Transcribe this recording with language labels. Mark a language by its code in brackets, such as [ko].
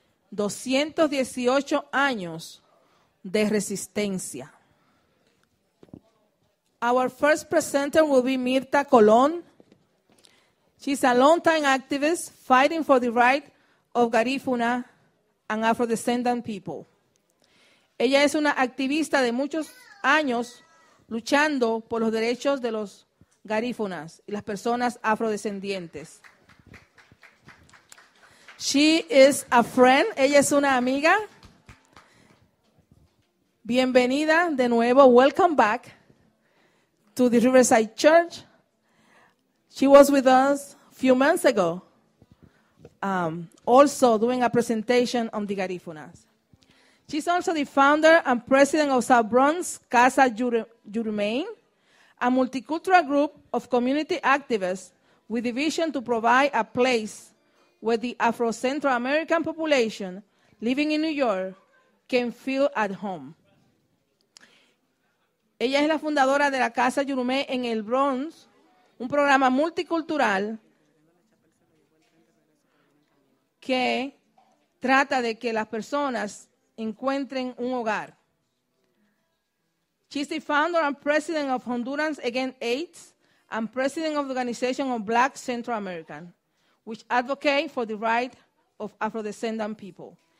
[es] 218 años de resistencia. [en] Our first presenter will be Mirta Colón. She's a longtime activist fighting for the right of garífuna and Afro-descendant people. [es] Ella es una activista de muchos años luchando por los derechos de los garífunas y las personas afrodescendientes. [en] She is a friend. [es] Ella es una amiga. Bienvenida de nuevo. [en] Welcome back to the Riverside Church. She was with us a few months ago, also doing a presentation on the garífunas. She's also the founder and president of South Bronx Casa Jurumain, a multicultural group of community activists with the vision to provide a place where the Afro-Central American population living in New York can feel at home. [es] Ella es la fundadora de la Casa Jurumain en el Bronx, un programa multicultural que trata de que las personas encuentren un hogar. [en] She's the founder and president of Honduras Against AIDS and president of the Organization of Black Central American, which advocate for the right of Afro-descendant people.